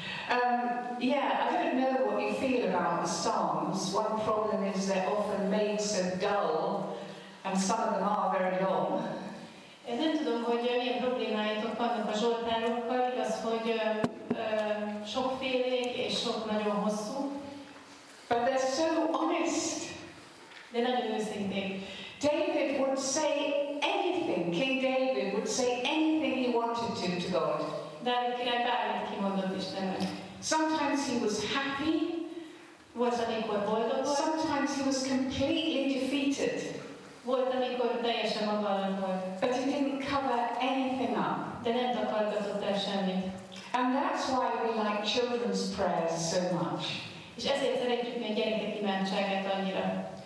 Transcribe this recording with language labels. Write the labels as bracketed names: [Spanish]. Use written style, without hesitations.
[English] I don't know what you feel about the Psalms. One problem is they're often made so dull, and some of them are very long. [Hungarian] Én nem tudom, hogy milyen problémáitok vannak a zsoltárokkal, igaz, hogy sokfélék és sok nagyon hosszú. [English] But they're so honest. [Hungarian] De nagyon őszinték. [English] David would say anything, King David would say anything he wanted to God. [Hungarian] Dávid király bármit kimondott Istennek. [English] Sometimes he was happy. [Hungarian] Volt, amikor boldog volt. [English] Sometimes he was completely defeated. [Hungarian] Volt, amikor teljesen magadon volt. [English] But he didn't cover anything up. [Hungarian] De nem takargatott el semmit. [English] And that's why we like children's prayers so much. [Hungarian] És ezért szeretjük mi a gyerekek imádságát annyira.